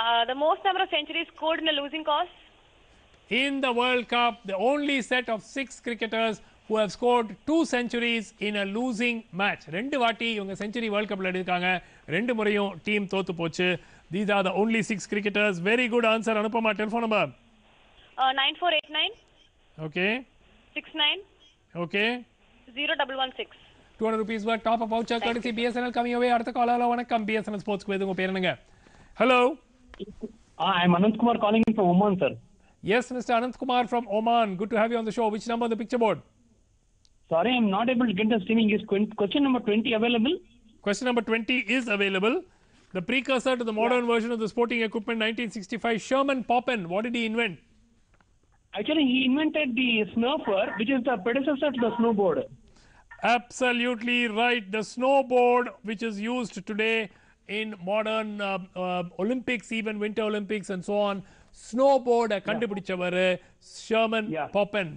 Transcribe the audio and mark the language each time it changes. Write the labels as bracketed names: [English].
[English] The most number of centuries scored in a losing cause in the World Cup. The only set of 6 cricketers who have scored 2 centuries in a losing match. [Tamil] ரெண்டு வாட்டி இவங்க century world கப்ல எடுத்துட்டாங்க, ரெண்டு முறையும் team தோத்து போச்சு. [English] These are the only 6 cricketers. Very good answer. அனுப்பமா, telephone number 9489. Okay 69. Okay 0116. 200 rupees worth top up voucher card BSNL coming away. [Tamil] அடுத்த கால் ஹலோ வணக்கம் BSNL ஸ்போர்ட்ஸ் குவேஸ். உங்க பேர் என்னங்க? [English] Hello, I am Anand Kumar calling in from Oman sir. Yes mister Anand Kumar from Oman, good to have you on the show. Which number on the picture board? Sorry, I am not able to get the streaming. Is question number 20 available? Question number 20 is available. The precursor to the modern version of the sporting equipment 1965, Sherman Poppen. What did he invent? Actually, he invented the snowboard, which is the predecessor to the snowboard. Absolutely right. The snowboard, which is used today in modern Olympics, even Winter Olympics and so on. [Tamil] Snowboard, a kandupidichavar, Sherman Poppen.